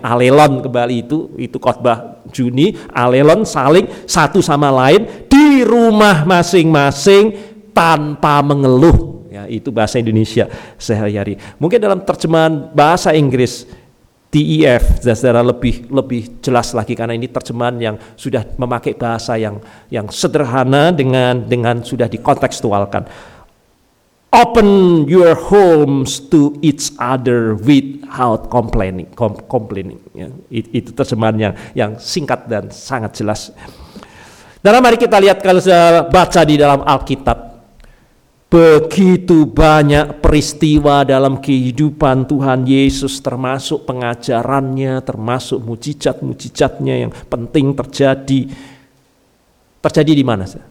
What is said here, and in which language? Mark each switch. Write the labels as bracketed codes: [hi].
[id] Alelon kembali itu khotbah Juni, alelon saling satu sama lain di rumah masing-masing tanpa mengeluh, ya, itu bahasa Indonesia sehari-hari. Mungkin dalam terjemahan bahasa Inggris TEF secara lebih jelas lagi, karena ini terjemahan yang sudah memakai bahasa yang sederhana dengan sudah dikontekstualkan. [en] Open your homes to each other without complaining. [id] Ya, itu terjemahan yang singkat dan sangat jelas. Dalam mari kita lihat, kalau saya baca di dalam Alkitab, begitu banyak peristiwa dalam kehidupan Tuhan Yesus, termasuk pengajarannya, termasuk mujizat-mujizatnya yang penting terjadi. Terjadi di mana?